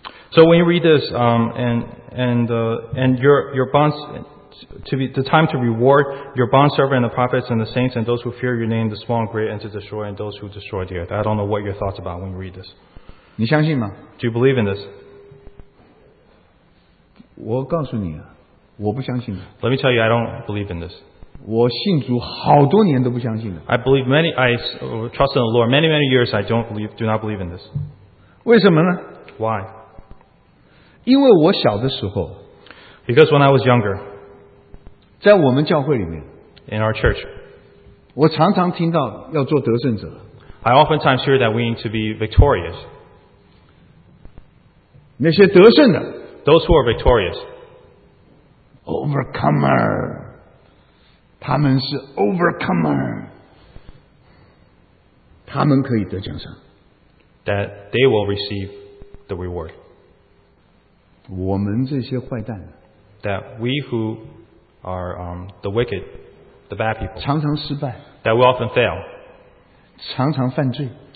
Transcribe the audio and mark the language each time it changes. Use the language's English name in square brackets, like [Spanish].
[English] ？So when you read this, and your bonds to be the time to reward your bond servant and the prophets and the saints and those who fear your name, the small and great, and to destroy and those who destroy the earth. I don't know what your thoughts about when you read this. [Chinese] 你相信吗 [English] ？Do you believe in this? [Chinese] 我告诉你啊，我不相信。 [English] Let me tell you, I don't believe in this. [Chinese] 我信主好多年都不相信的。 [English] I believe many, I trust in the Lord. Many years I do not believe in this. [Chinese] 为什么呢 [English] ？Why? [Chinese] 因为我小的时候 [English] Because when I was younger, [Chinese] 在我们教会里面 [English] In our church, [Chinese] 我常常听到要做得胜者 [English] I oftentimes hear that we need to be victorious. [Chinese] 那些得胜的 [English] Those who are victorious. Overcomer. [Chinese] 他们是 overcomer. 他们可以得奖赏 [English] That they will receive the reward. [Chinese] 我们这些坏蛋 [English] that we who are the wicked, the bad people, [Chinese] 常常失败 [English] that we often fail, [Chinese] 常常犯罪